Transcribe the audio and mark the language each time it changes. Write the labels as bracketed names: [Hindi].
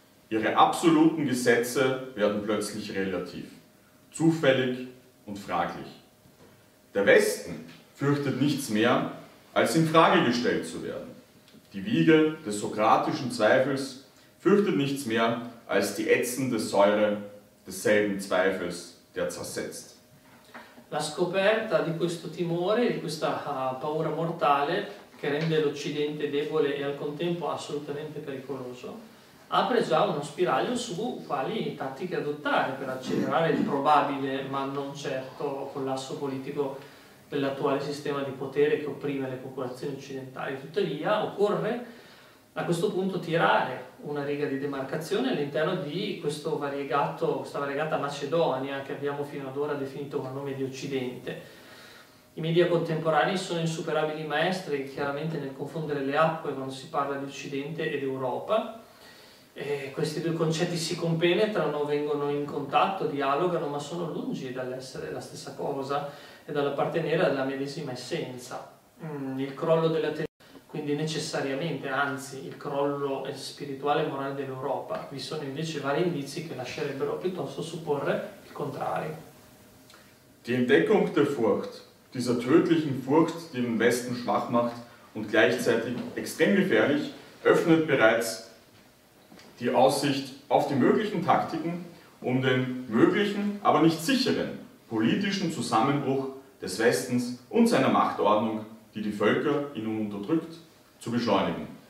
[German] Ihre absoluten Gesetze werden plötzlich relativ, zufällig und fraglich. Der Westen fürchtet nichts mehr, als in Frage gestellt zu werden. Die Wiege des sokratischen Zweifels fürchtet nichts mehr, als die ätzende Säure desselben Zweifels, der zersetzt. [Italian] La scoperta di questo timore, di questa paura mortale, che rende l'Occidente debole e al contempo assolutamente pericoloso, apre già uno spiraglio su quali tattiche adottare per accelerare il probabile, ma non certo, collasso politico dell'attuale sistema di potere che opprime le popolazioni occidentali. Tuttavia occorre a questo punto tirare una riga di demarcazione all'interno di questo variegato, questa variegata Macedonia che abbiamo fino ad ora definito con nome di Occidente. I media contemporanei sono insuperabili maestri chiaramente nel confondere le acque quando si parla di Occidente ed Europa. E questi due concetti si compenetrano, vengono in contatto, dialogano, ma sono lungi dall'essere la stessa cosa e dall'appartenere alla medesima essenza. Il crollo della quindi necessariamente, anzi, il crollo spirituale e morale dell'Europa. Vi sono invece vari indizi che lascerebbero piuttosto supporre il contrario. [German] Die Entdeckung der Furcht, dieser tödlichen Furcht, die den Westen schwach macht und gleichzeitig extrem gefährlich, öffnet bereits die Aussicht auf die möglichen Taktiken, um den möglichen, aber nicht sicheren politischen Zusammenbruch des Westens und seiner Machtordnung, die die Völker in ihm unterdrückt, zu beschleunigen.